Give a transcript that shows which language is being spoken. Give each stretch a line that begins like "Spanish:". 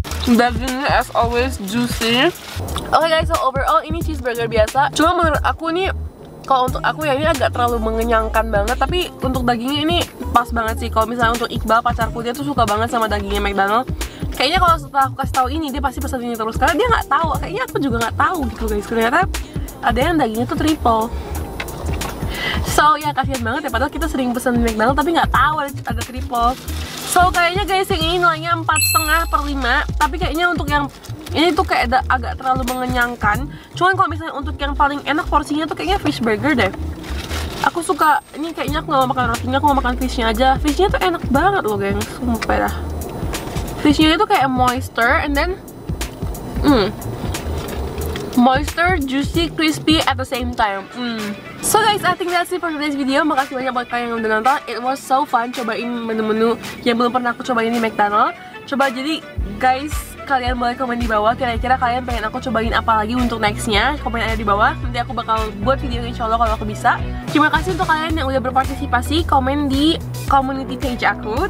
Indonesian: Dagingnya
English: as always juicy. Okay guys, so overall
Indonesian: ini cheeseburger biasa. Cuma menurut aku ini, kalau untuk aku ya ini agak terlalu mengenyangkan banget. Tapi untuk dagingnya ini pas banget sih. Kalau misalnya untuk Iqbal pacarku, dia tuh suka banget sama dagingnya McDonald. Kayaknya kalau setelah aku kasih tahu ini, dia pasti pesan ini terus. Karena dia nggak tahu. Kayaknya aku juga nggak tahu gitu guys. Ternyata ada yang dagingnya tuh triple. So ya kasihan banget ya, padahal kita sering pesen McDonald tapi gak tahu ada triple. So kayaknya guys yang ini nilainya 4.5/5. Tapi kayaknya untuk yang ini tuh kayak agak terlalu mengenyangkan. Cuman kalau misalnya untuk yang paling enak porsinya tuh kayaknya fish burger deh. Aku suka, ini kayaknya aku gak mau makan rotinya, aku mau makan fishnya aja. Fishnya tuh enak banget loh geng, sumpah dah. Fishnya itu kayak
English: moisture and then moisture, juicy, crispy at the same time. So guys, I think that's it for today's video.
Indonesian: Makasih banyak buat kalian yang udah nonton.
English: It was so fun
Indonesian: cobain menu-menu yang belum pernah aku cobain di McDonald's. Coba jadi guys, kalian boleh komen di bawah kira-kira kalian pengen aku cobain apa lagi untuk next-nya. Komen ada di bawah, nanti aku bakal buat video insya Allah kalau aku bisa. Terima kasih untuk kalian yang udah berpartisipasi, komen di community page aku.